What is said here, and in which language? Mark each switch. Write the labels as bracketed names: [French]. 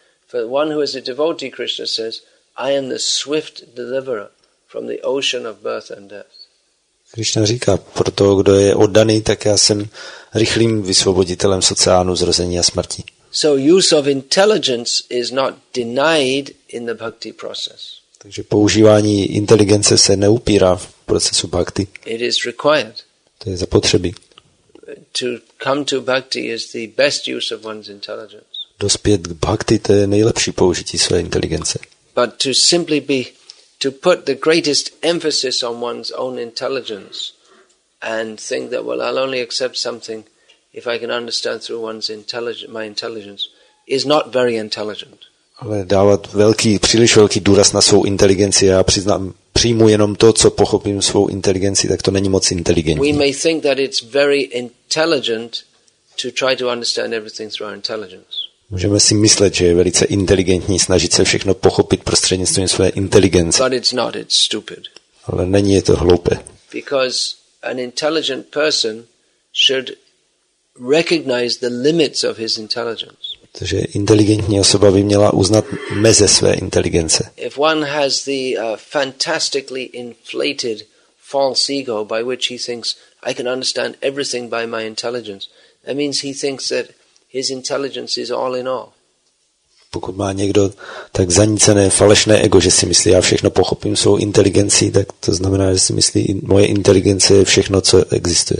[English] For one who is a devotee, Krishna says, I am the swift deliverer from the ocean of birth and death. [Czech] Krishna říká, pro toho, kdo je oddaný, tak já jsem rychlým vysvoboditelem z oceánu zrození a smrti. [English] So use of intelligence is not denied in the bhakti process. [Czech] Takže používání inteligence se neupírá v procesu bhakti. [English] It is required. [Czech] To je zapotřebí. [English] To come to bhakti is the best use of one's intelligence. [Czech] Dospět k bhakti, to je nejlepší použití své inteligence. [English] But to simply be to put the greatest emphasis on one's own intelligence and think that, well, I'll only accept something if I can understand through one's intelligence, my intelligence, is not very intelligent. [Czech] Ale dávat příliš velký důraz na svou inteligenci, já přiznám, přijmu jenom to, co pochopím svou inteligenci, tak to není moc inteligentní. [English] We may think that it's very intelligent to try to understand everything through our intelligence. [Czech] Můžeme si myslet, že je velice inteligentní snažit se všechno pochopit prostřednictvím své inteligence. [English] But it's not, it's stupid. [Czech] Ale není to hloupé. [English] Because an intelligent person should recognize the limits of his intelligence. [Czech] Takže inteligentní osoba by měla uznat meze své inteligence. [English] If one has the fantastically inflated false ego by which he thinks I can understand everything by my intelligence, that means he thinks that his intelligence is all in all. [Czech] Pokud má někdo tak zanícené falešné ego, že si myslí, já všechno pochopím svou inteligenci, tak to znamená, že si myslí, moje inteligence je všechno, co existuje.